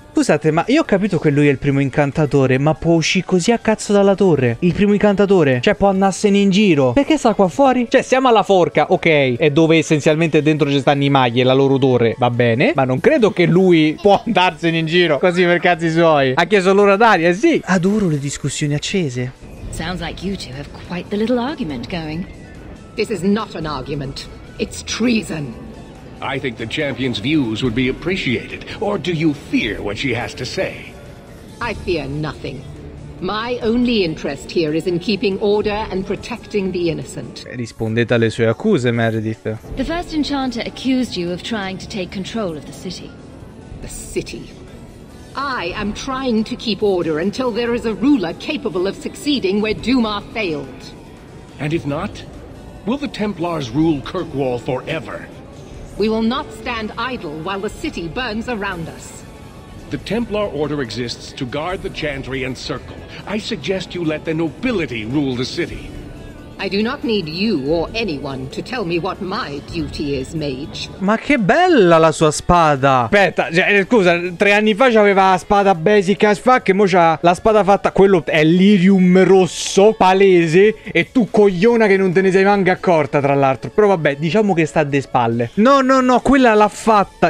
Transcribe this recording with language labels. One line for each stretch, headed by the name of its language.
Italian: Scusate, ma io ho capito che lui è il primo incantatore, ma può uscire così a cazzo dalla torre? Il primo incantatore? Cioè, può andarsene in giro? Perché sta qua fuori? Cioè, siamo alla forca, ok, è dove essenzialmente dentro ci stanno i maghi e la loro torre, va bene, ma non credo che lui può andarsene in giro così per cazzi suoi. Ha chiesto l'ora d'aria, sì. Adoro le discussioni accese.
English: Sounds like you two have quite the little argument going. This is not an argument, it's treason. I think the champion's views would be appreciated. Or do you fear what she has to say? I fear nothing. My only interest here is in keeping order and protecting the innocent.
Italian: Rispondete alle sue accuse, Meredith.
English: The first enchanter accused you of trying to take control of the city. The city? I am trying to keep order until there is a ruler capable of succeeding where Dumas failed. And if not, will the Templars rule Kirkwall forever? We will not stand idle while the city burns around us. The Templar Order exists to guard the Chantry and Circle. I suggest you let the nobility rule the city. I do not need you or anyone to tell me what my duty is, mage.
Italian: Ma che bella la sua spada! Aspetta, cioè, scusa, 3 anni fa c'aveva la spada
English: basic as fuck
Italian: e mo c'ha la spada fatta... Quello è l'Irium rosso, palese, e tu cogliona che non te ne sei manca accorta, tra l'altro. Però vabbè, diciamo che sta de spalle. No, no, no, quella l'ha fatta.